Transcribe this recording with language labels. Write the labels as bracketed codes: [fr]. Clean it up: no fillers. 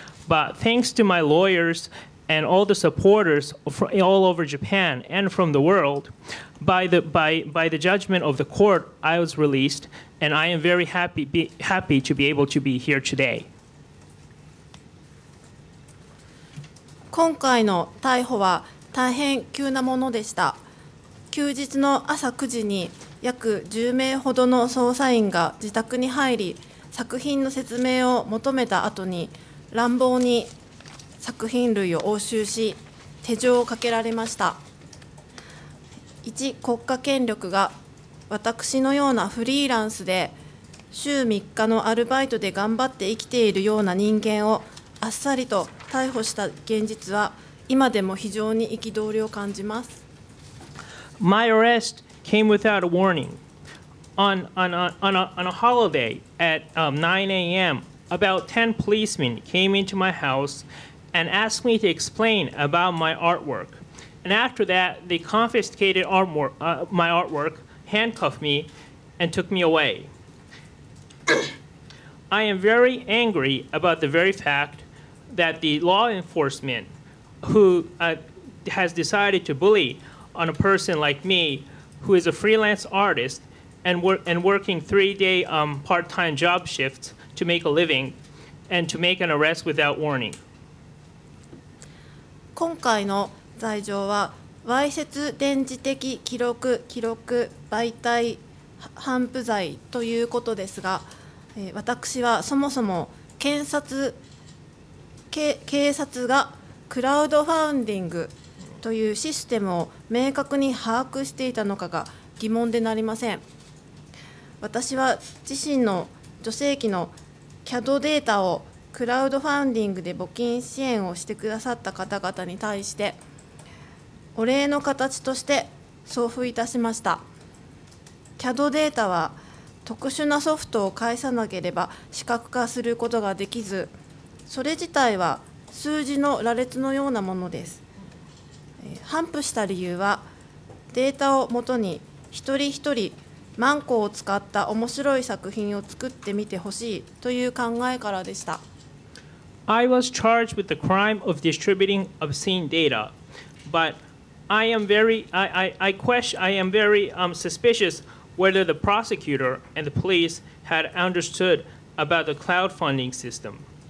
[en] But thanks to my lawyers and all the supporters all over Japan and from the world, by the judgment of the court, I was released, and I am very happy to be able to be here today. [ja] 今回の逮捕は大変急なものでした。休日の朝9時に約10名ほどの捜査員が自宅に入り、作品の説明を求めた後に乱暴に作品類を押収し、手錠をかけられました。一国家権力が私のようなフリーランスで週3日のアルバイトで頑張って生きているような人間をあっさりと逮捕した現実は今でも非常に憤りを感じます。 [en] My arrest came without a warning. On a holiday at 9 a.m., about 10 policemen came into my house and asked me to explain about my artwork. And after that, they confiscated my artwork, handcuffed me, and took me away. I am very angry about the very fact that the law enforcement, who has decided to bully on a person like me, who is a freelance artist, and working 3-day part-time job shifts to make a living and to make an arrest without warning. [ja] 今回の罪状は、わいせつ電磁的記録媒体頒布罪ということですが、私はそもそも警察がクラウドファウンディングというシステムを明確に把握していたのかが疑問でなりません。私は自身の助成金の CAD データをクラウドファンディングで募金支援をしてくださった方々に対してお礼の形として送付いたしました。 CAD データは特殊なソフトを介さなければ視覚化することができず、それ自体は数字の羅列のようなものです。頒布した理由はデータをもとに一人一人マンコを使った面白い作品を作ってみてほしいという考えからでした。 [en] I was charged with the crime of distributing obscene data, but I am very suspicious whether the prosecutor and the police had understood about the crowdfunding system.